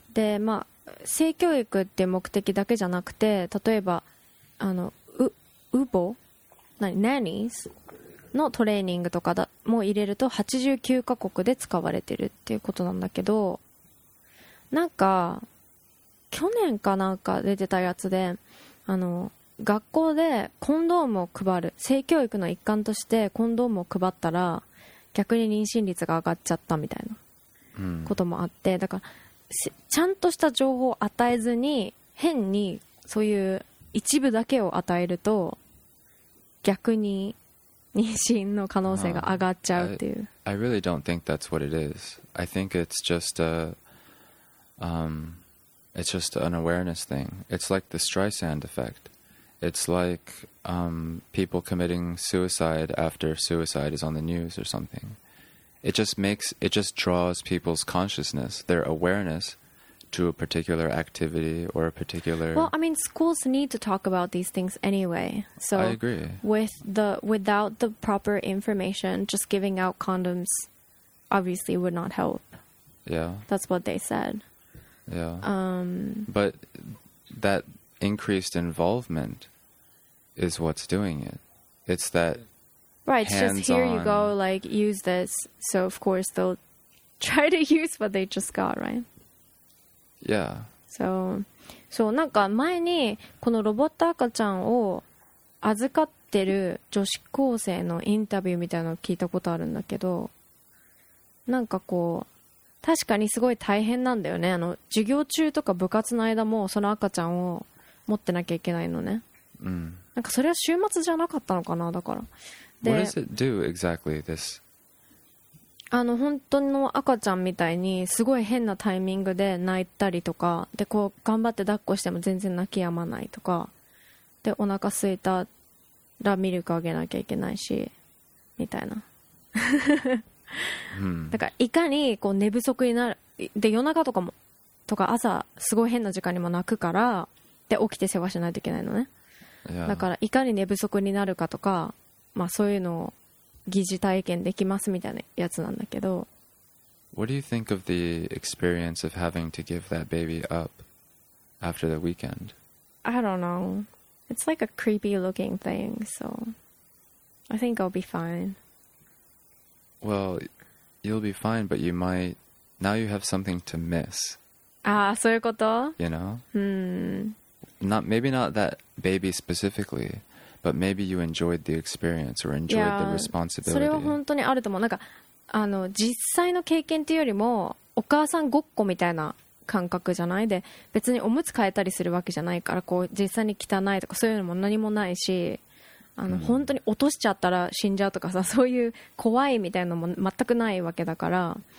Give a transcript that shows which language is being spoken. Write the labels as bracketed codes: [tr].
[ja] で、まあ、性教育っていう目的だけじゃなくて例えばあのウボ何ナニーズのトレーニングとかだも入れると89カ国で使われてるっていうことなんだけどなんか去年かなんか出てたやつであの学校でコンドームを配る性教育の一環としてコンドームを配ったら逆に妊娠率が上がっちゃったみたいなこともあって、うん、だからちゃんとした情報を与えずに変にそういう一部だけを与えると逆に妊娠の可能性が上がっちゃうっていう、 [en] I really don't think that's what it is. I think it's just a、it's just an awareness thing. It's like the Streisand effectIt's like、people committing suicide after suicide is on the news or something. It just draws people's consciousness, their awareness, to a particular activity or a particular... Well, I mean, schools need to talk about these things anyway. So I agree. Without the proper information, just giving out condoms obviously would not help. Yeah. That's what they said. Yeah. But that increased involvement is what's doing it. It's that... Right, it's just here you go, like, use this. So, of course, they'll try to use what they just got, right? Yeah. [ja] So, なんか前にこのロボット赤ちゃんを預かってる女子高生のインタビューみたいなのを聞いたことあるんだけど、なんかこう、確かにすごい大変なんだよね。授業中とか部活の間もその赤ちゃんを持ってなきゃいけないのね。うん。なんかそれは週末じゃなかったのかな、だから。 [en] What does it do exactly, this? [ja] 本当の赤ちゃんみたいにすごい変なタイミングで泣いたりとかで、こう頑張って抱っこしても全然泣き止まないとかで、お腹空いたらミルクあげなきゃいけないしみたいな、だからいかにこう寝不足になるで、夜中とかもとか朝すごい変な時間にも泣くからで、起きて世話しないといけないのね、だからいかに寝不足になるかとか、まあ、そういうのを疑似体験できますみたいなやつなんだけど。 [en] What do you think of the experience of having to give that baby up after the weekend? I don't know. It's like a creepy looking thing, so I think I'll be fine. Well, you'll be fine, but you might... Now you have something to miss. [ja] ああ、そういうこと? [en] You know? Hmm. Maybe not that baby specifically,But maybe you enjoyed the experience or enjoyed the responsibility. [ja] それは本当にあると思う。なんか実際の経験っていうよりもお母さんごっこみたいな感覚じゃないで、別におむつ変えたりするわけじゃないから、こう実際に汚いとかそういうのも何もないし、本当に落としちゃったら死んじゃうとかさ、そういう怖いみたいなのも全くないわけだから、